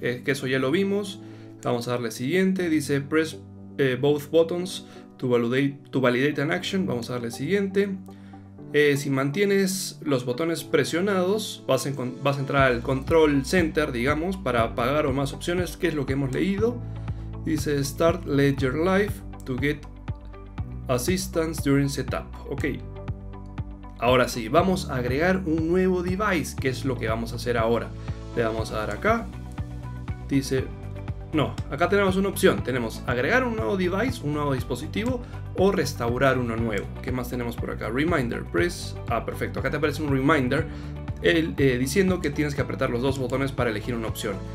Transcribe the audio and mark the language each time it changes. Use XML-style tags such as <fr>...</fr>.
<es>Que eso ya lo vimos. Vamos a darle Siguiente. Dice</es> <en>Press Both Buttons to validate an action.</en> <es>Vamos a darle Siguiente. Si mantienes los botones presionados, vas a entrar al control center, digamos, para apagar o más opciones, que es lo que hemos leído.</es> <en>Dice Start Ledger Live to get assistance during setup.</en> <es>Ok. Ahora sí, vamos a agregar un nuevo device, que es lo que vamos a hacer ahora. Le vamos a dar acá. Dice. No, acá tenemos una opción. Tenemos agregar un nuevo device, un nuevo dispositivo o restaurar uno nuevo. ¿Qué más tenemos por acá? Reminder, press. Ah, perfecto. Acá te aparece un reminder diciendo que tienes que apretar los dos botones para elegir una opción.</es>